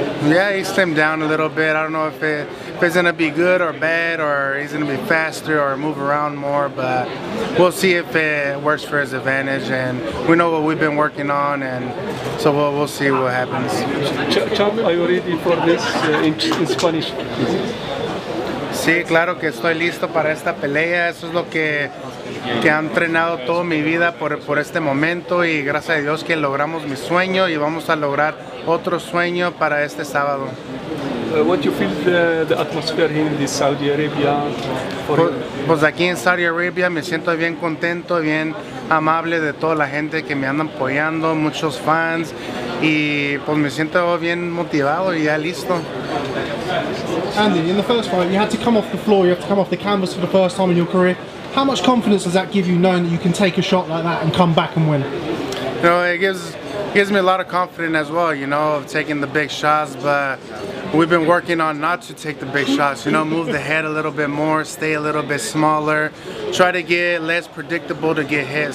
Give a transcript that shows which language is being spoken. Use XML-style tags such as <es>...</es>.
<en>Yeah, he slimmed down a little bit. I don't know if it's going to be good or bad, or he's going to be faster or move around more, but we'll see if it works for his advantage. And we know what we've been working on, and so we'll see what happens. Champ, are you ready for this in Spanish?</en> <es>Sí, claro que estoy listo para esta pelea. Eso es lo que han entrenado toda mi vida por este momento, y gracias a Dios que logramos mi sueño y vamos a lograr otro sueño para este sábado.</es> <en>What do you feel the atmosphere here in this Saudi Arabia?</en> <es>Pues aquí en Saudi Arabia me siento bien contento, bien amable de toda la gente que me anda apoyando, muchos fans, y pues me siento bien motivado y ya listo.</es> <en>Andy, in the first fight, you had to come off the floor, you had to come off the canvas for the first time in your career. How much confidence does that give you, knowing that you can take a shot like that and come back and win? You know, it gives me a lot of confidence as well, you know, of taking the big shots, but we've been working on not to take the big shots, you know, move the head a little bit more, stay a little bit smaller, try to get less predictable to get hit.</en>